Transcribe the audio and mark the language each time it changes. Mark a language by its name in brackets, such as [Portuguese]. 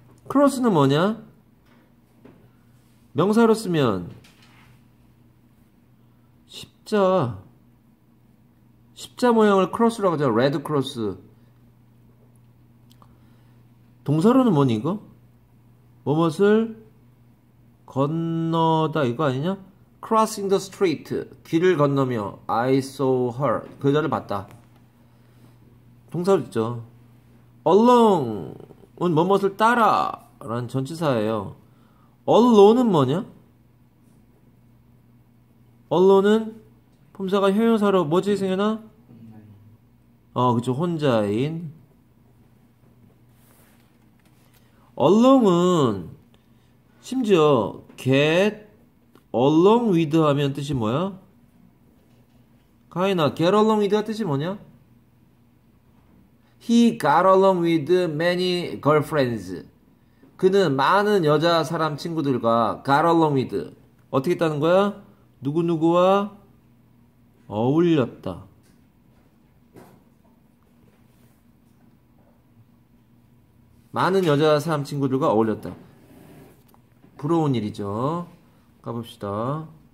[Korean] Cross는 뭐냐? 명사로 쓰면 십자. 십자 모양을 크로스라고 하잖아. 레드 크로스. 동사로는 뭐니 이거? 뭐뭇을 건너다 이거 아니냐? [English] Crossing the street. [Korean] 길을 건너며 [English] I saw her. [Korean] 그 여자를 봤다. 동사로 있죠. Along은 뭐뭇을 따라라는 전치사예요. Alone은 뭐냐? Alone은 품사가 형용사로 뭐지 생겨나? 그쵸, 혼자인. Along은, 심지어, [English] get along with [Korean] 하면 뜻이 뭐야? 카이나, [English] get along with [Korean] 가 뜻이 뭐냐? [English] He got along with many girlfriends. [Korean] 그는 많은 여자 사람 친구들과 [English] got along with. [Korean] 어떻게 했다는 거야? 누구누구와 어울렸다. 많은 여자 사람 친구들과 어울렸다. 부러운 일이죠. 가봅시다.